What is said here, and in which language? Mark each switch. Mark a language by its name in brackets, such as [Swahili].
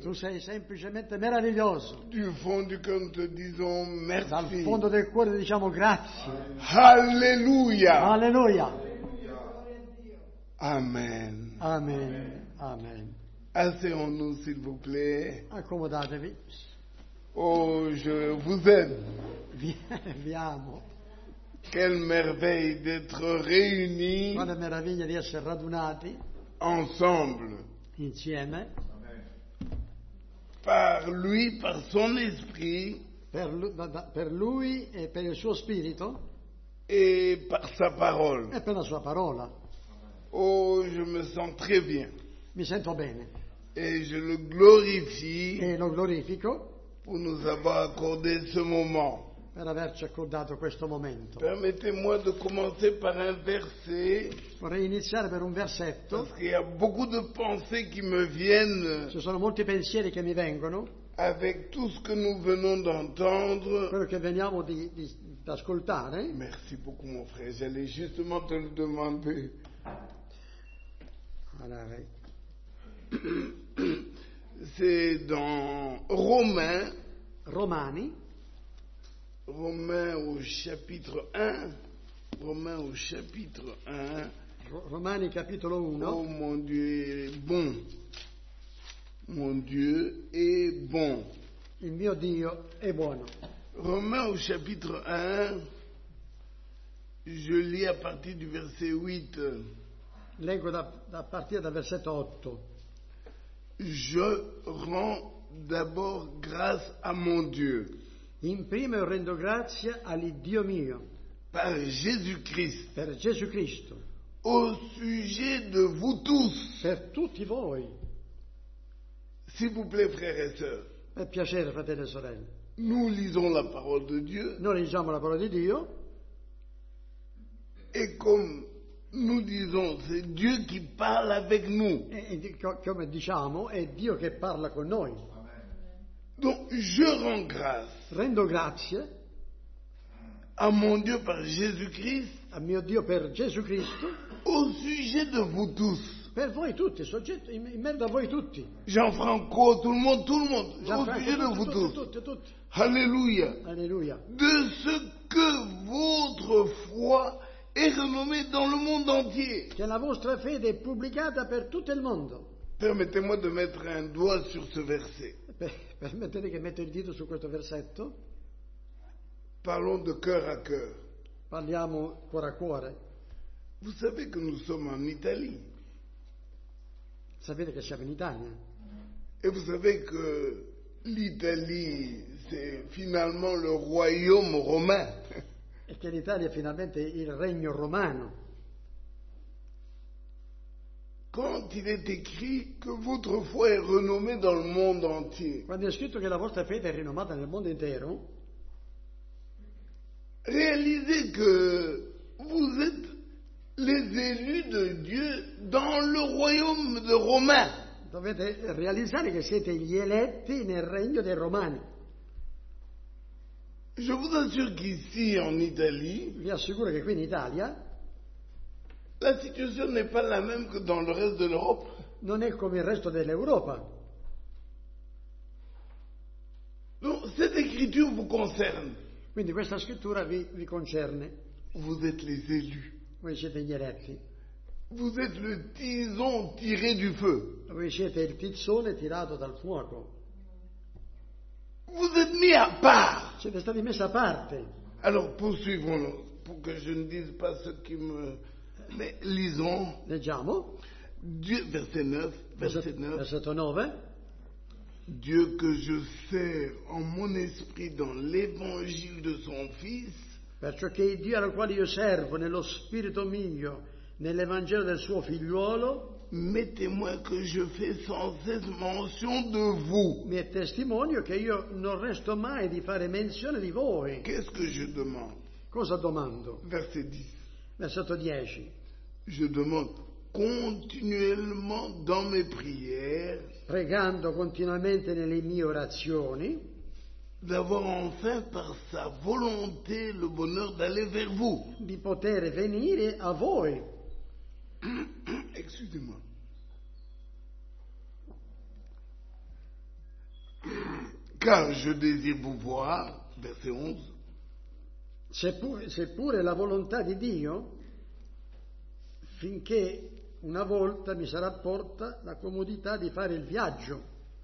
[Italian] Tu sei semplicemente meraviglioso. [French] Du fond du cœur, te disons merci. [Italian] Dal fondo del cuore diciamo grazie. Alleluia. Alleluia. Amen. Amen. Amen. [French] Asseyons-nous, s'il vous plaît. [Italian] Accomodatevi. [French] Oh, je vous aime. [Italian] Viamo. [French] Quelle merveille d'être réunis. [Italian] Quale meraviglia di essere radunati. [French] Ensemble. [Italian] Insieme. [French] Par lui, par son esprit. [Italian] Per lui e per il suo spirito. [French] E par sa parole. [Italian] E per la sua parola. [French] Oh, je me sens très bien. [Italian] Mi sento bene. [French] Et je le glorifie. [Italian] E lo glorifico. [French] Pour nous avoir accordé ce moment. [Italian] Per averci accordato questo momento. [French] Permettez-moi de commencer par un verset. [Italian] Vorrei iniziare per un versetto. [French] Parce qu'il y a beaucoup de pensées qui me viennent. [Italian] Ci sono molti pensieri che mi vengono. [French] Avec tout ce que nous venons d'entendre. [Italian] Quello che veniamo di ascoltare. [French] Merci beaucoup, mon frère. J'allais justement te le demander. [Italian] Allora. [French] C'est dans Romains. [Italian] Romani. [French] Romains au chapitre 1. Romains au chapitre 1. [Italian] Romani capitolo 1. [French] Oh mon Dieu est bon. Mon Dieu est bon. [Italian] Il mio Dio è buono. [French] Romains au chapitre 1. Je lis à partir du verset 8. [Italian] Leggo da partire dal versetto 8. [French] Je rends d'abord grâce à mon Dieu. [Italian] In primo rendo grazie all'Iddio mio. [French] Par Jésus-Christ. [Italian] Per Gesù Cristo. [French] Au sujet de vous tous. [Italian] Per tutti voi. [French] S'il vous plaît, frères et sœurs. [Italian] Per piacere, fratelli e sorelle. [French] Nous lisons la parole de Dieu. [Italian] Noi leggiamo la parola di Dio. [French] Et comme nous disons, c'est Dieu qui parle avec nous. [Italian] Come diciamo, è Dio che parla con noi. [French] Donc, je rends grâce. [Italian] Rendo grazie. [French] À mon Dieu par Jésus-Christ. [Italian] A mio Dio per Gesù Cristo. [French] Au sujet de vous tous. [Italian] Per voi tutti, soggetto, in merito a voi tutti. [French] Gianfranco, tout le monde, au sujet de vous tous. [Italian] Tutti. Alléluia. Alléluia. [French] De ce que votre foi est renommée dans le monde entier. [Italian] Che la vostra fede è pubblicata per tutto il mondo. [French] Permettez-moi de mettre un doigt sur ce verset. [Italian] Permettete che metto il dito su questo versetto. [French] Parlons de cœur à cœur. [Italian] Parliamo cuore a cuore. [French] Vous savez que nous sommes en Italie. [Italian] Sapete che siamo in Italia. [French] Et vous savez que l'Italie c'est finalement le royaume romain. [Italian] E che l'Italia è finalmente il regno romano. [French] Quand il est écrit que votre foi est renommée dans le monde entier. [Italian] Quando è scritto che la vostra fede è rinomata nel mondo intero. [French] Réalisez que vous êtes les élus de Dieu dans le royaume de Romain. [Italian] Dovete realizzare che siete gli eletti nel regno dei Romani. [French] Je vous assure qu'ici en Italie. [Italian] Vi assicuro che qui in Italia. [French] La situation n'est pas la même que dans le reste de l'Europe. [Italian] Non è come il resto dell'Europa. [French] Donc cette écriture vous concerne. [Italian] Quindi questa scrittura vi concerne. [French] Vous êtes les élus. [Italian] Voi siete gli eletti. [French] Vous êtes le tison tiré du feu. [Italian] Voi siete il tizzone tirato dal fuoco. [French] Vous êtes mis à part. [Italian] Siete stati messi a parte. [French] Alors poursuivons-le, pour que je ne dise pas ce qui me... Mais lisons. [Italian] Leggiamo. [French] Dieu, verset 9. Dieu que je sers en mon esprit dans l'évangile de son Fils. [Italian] Perciò che il Dio al quale io servo nello spirito mio, nell'Evangelo del suo figliuolo. [French] Mettez-moi que je fais sans cesse mention de vous. [Italian] Mi è testimonio che io non resto mai di fare menzione di voi. [French] Qu'est-ce que je demande? [Italian] Cosa domando? [French] Verset 10. [Italian] Versetto 10. [French] Je demande continuellement dans mes prières. [Italian] Pregando continuamente nelle mie orazioni. [French] d'avoir enfin par sa volonté le bonheur d'aller vers vous. [Italian] Di poter venire a voi. [French] Excusez-moi. Car je désire vous voir, verset 11. [Italian] Seppure la volontà di Dio, finché una volta mi sarà porta la comodità di fare il viaggio.